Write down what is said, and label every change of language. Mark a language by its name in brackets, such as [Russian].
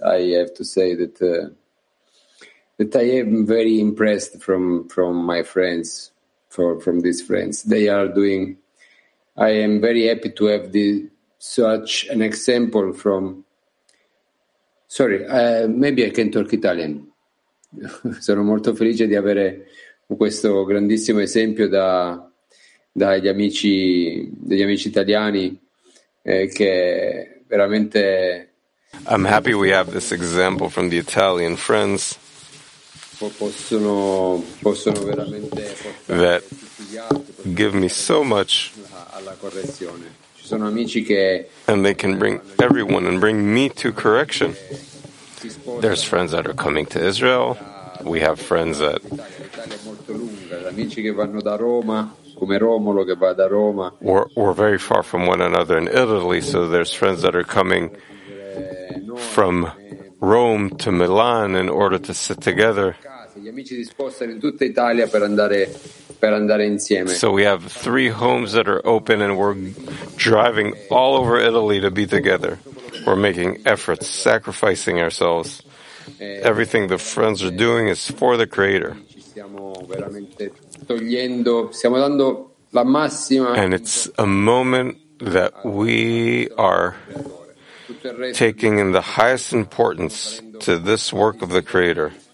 [English] I have to say that that I am very impressed from my friends, from these friends. They are doing, I am very happy to have this, such an example from, sorry, maybe I can talk Italian. [Italian] Sono molto felice di avere questo grandissimo esempio dagli amici italiani che veramente. [English] I'm happy we have this example from the Italian friends. [Italian] Possono veramente [English] that give me so much. [Italian] Alla correzione. Ci sono amici che. [English] And they can bring everyone and bring me to correction. There's friends that are coming to Israel. We have friends that. [Italian] Amici che vanno da Roma, come Romolo che va da Roma. [English] We're very far from one another in Italy, so there's friends that are coming from Rome to Milan in order to sit together. [Italian] Gli amici si spostano in tutta Italia per andare insieme. [English] So we have three homes that are open, and we're driving all over Italy to be together. We're making efforts, sacrificing ourselves. Everything the friends are doing is for the Creator. And it's a moment that we are taking in the highest importance to this work of the Creator.